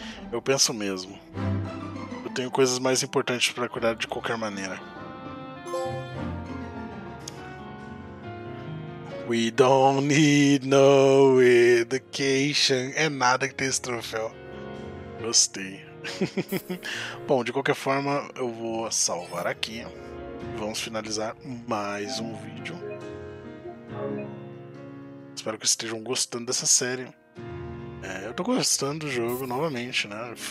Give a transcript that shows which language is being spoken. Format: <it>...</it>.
<pt>Eu penso mesmo. Eu tenho coisas mais importantes para cuidar de qualquer maneira.</pt> <en>We don't need no education.</en> <pt>É nada que tem esse troféu. Gostei. Bom, de qualquer forma, eu vou salvar aqui. Vamos finalizar mais um vídeo. Espero que estejam gostando dessa série. É, eu tô gostando do jogo novamente, né?</pt>